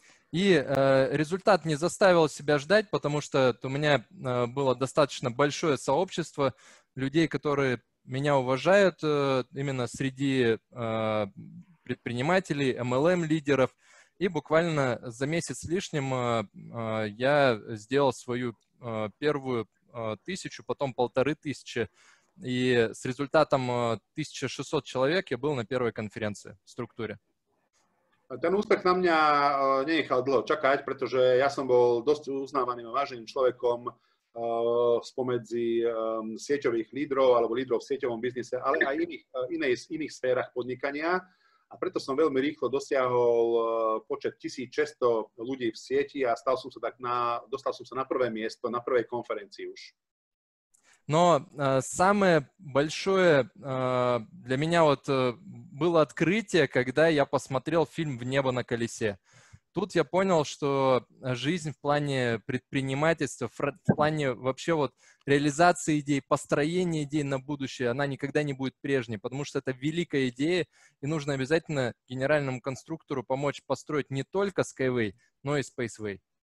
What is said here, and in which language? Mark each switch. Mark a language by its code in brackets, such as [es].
[ru] И результат не заставил себя ждать, потому что у меня было достаточно большое сообщество людей, которые меня уважают именно среди предпринимателей, MLM-лидеров. И буквально за месяц с лишним я сделал свою первую тысячу, потом 1500. И с результатом 1600 человек я был на первой конференции в структуре. [sk] Ten úspech na mňa nenechal dlho čakať, pretože ja som bol dosť uznávaným a váženým človekom spomedzi sieťových lídrov alebo lídrov v sieťovom biznise, ale aj iných sférach podnikania. A preto som veľmi rýchlo dosiahol počet 1600 ľudí v sieti a dostal som sa na prvé miesto, na prvej konferencii už. [ru] Но самое большое для меня вот было открытие, когда я посмотрел фильм «В небо на колесе». Тут я понял, что жизнь в плане предпринимательства, в плане вообще вот реализации идей, построения идей на будущее, она никогда не будет прежней, потому что это великая идея, и нужно обязательно генеральному конструктору помочь построить не только Skyway, но и Spaceway.